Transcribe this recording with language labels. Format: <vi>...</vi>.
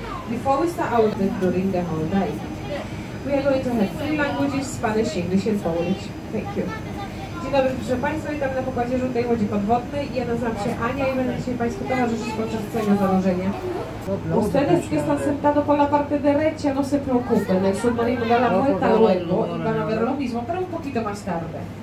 <en>Before we start our trip during the whole dive, we are going to have three languages: Spanish, English, and Polish. Thank you.</en> <pl>Dzień dobry, proszę Państwa, witam na pokładzie żółtej łodzi podwodnej. Ja nazywam się Ania i będę dzisiaj Państwu towarzyszyć podczas całego założenia.</pl> <es>Ustedes que están sentados por la parte derecha, no se preocupen. El submarino da la vuelta luego y van a ver lo mismo, pero un poquito más tarde.</es>